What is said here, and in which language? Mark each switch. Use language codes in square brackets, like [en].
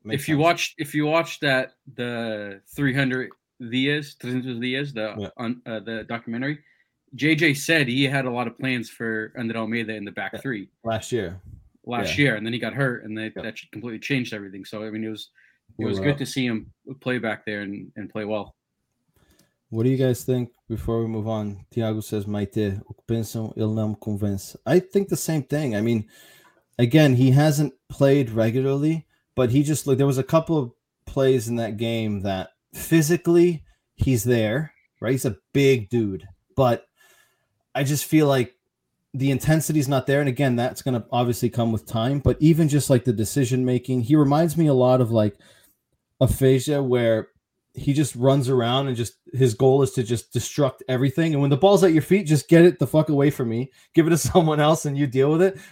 [en] if you watched that, the 300 Dias, the documentary, JJ said he had a lot of plans for André Almeida in the back three last year, and then he got hurt, and that completely changed everything. So I mean, it was good to see him play back there and play well. What do you guys think before we move on? Thiago says [pt] Maite, o que pensam, ele não me convence. [en] I think the same thing. I mean, again, he hasn't played regularly, but he just looked. There was a couple of plays in that game that physically he's there, right? He's a big dude, but I just feel like the intensity is not there. And again, that's going to obviously come with time, but even just like the decision-making, he reminds me a lot of like aphasia where he just runs around and just, his goal is to just destruct everything. And when the ball's at your feet, just get it the fuck away from me, give it to someone else and you deal with it.